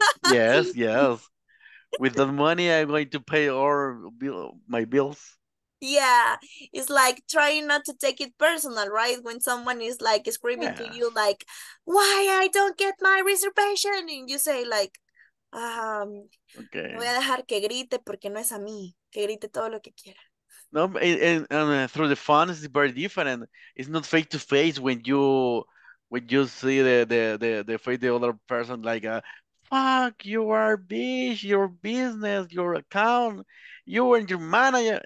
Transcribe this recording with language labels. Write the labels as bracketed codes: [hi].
[en] Yes, yes. With that money, I'm going to pay all my bills. Yeah. It's like trying not to take it personal, right? When someone is like screaming Yeah. to you, like, why I don't get my reservation? And you say, like, Okay. [es] Voy a dejar que grite porque no es a mí. Que grite todo lo que quiera. [en] No, and through the phone is very different. It's not face to face when you see the face the other person like fuck, you are bitch, your business, your account, you and your manager.